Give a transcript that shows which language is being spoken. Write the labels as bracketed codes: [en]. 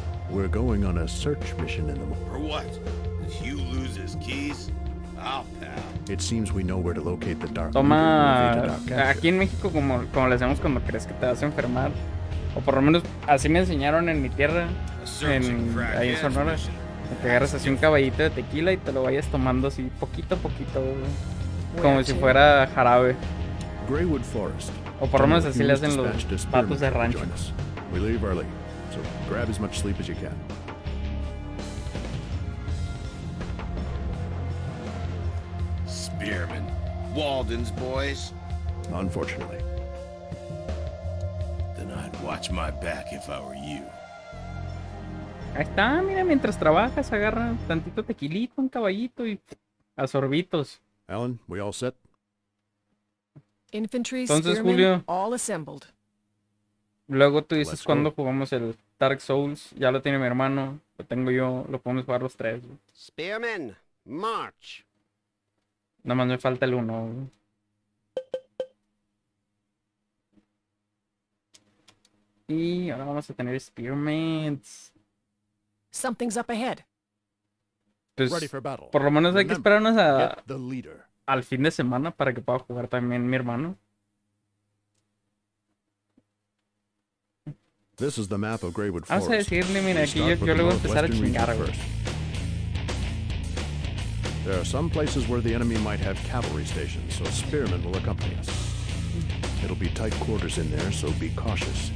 [en] We're going on a search mission in the morning. For what? Did Hugh lose his keys? I'll pal. It seems we know where to locate the dark. [es] Toma. Aquí en México, como le hacemos cuando crees que te vas a enfermar, o por lo menos así me enseñaron en mi tierra, ahí en Sonora. Te agarras así un caballito de tequila y te lo vayas tomando así poquito a poquito, como si fuera jarabe. [en] Greywood Forest. [es] O por lo menos así le hacen los patos de rancho. [en] We leave early, so grab as much sleep as you can. Spearman. Walden's boys. Unfortunately. Then I'd watch my back if I were you. [es] Ahí está, mira, mientras trabajas, agarra tantito tequilito, un caballito y a sorbitos. [en] Alan, we all set. Infantry, entonces, Julio, all assembled. [es] Luego tú dices cuando jugamos el Dark Souls. Ya lo tiene mi hermano, lo tengo yo, lo podemos jugar los tres. [en] Spearmen, march. [es] Nada más me falta el uno. Y ahora vamos a tener Spearmans. [en] Something's up ahead. [es] Pues, [en] ready for battle. [es] Por lo menos hay que esperarnos al fin de semana para que pueda jugar también mi hermano. [en] This is the map of Greywood Forest. [es] Vamos a decirle, mira, aquí yo le voy a empezar a chingar. [en] There are some places where the enemy might have cavalry stations, so Spearman will accompany us. It'll be tight quarters in there, so be cautious.